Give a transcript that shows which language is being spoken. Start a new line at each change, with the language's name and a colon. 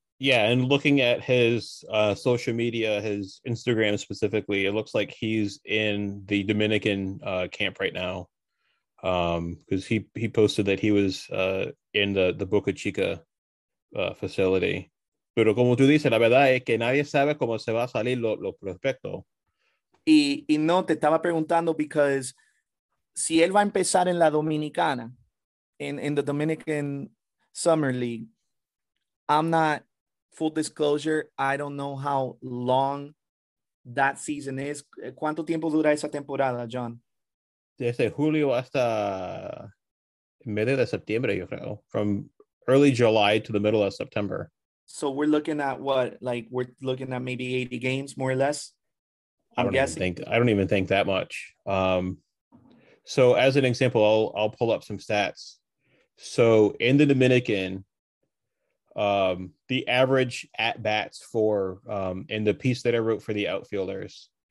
English: Yeah, and looking at his social media, his Instagram specifically, it looks like he's in the Dominican camp right now, because he posted that he was in the Boca Chica facility.
Spanish: Pero como tú dices, la verdad es que nadie sabe cómo se va a salir lo prospecto. Y no, te estaba preguntando
English: because
Spanish: si él va a empezar en la Dominicana,
English: in the Dominican Summer League, I'm not, full disclosure, I don't know how long that season is.
Spanish: ¿Cuánto tiempo dura esa temporada, John? Desde julio hasta medio de septiembre, yo creo.
English: From early July to the middle of September. So we're looking at what, like we're looking at maybe 80 games, more or less. I don't even think that much. So as an example, I'll pull up some stats. So in the Dominican, the average at bats for in the piece that I wrote for the outfielders,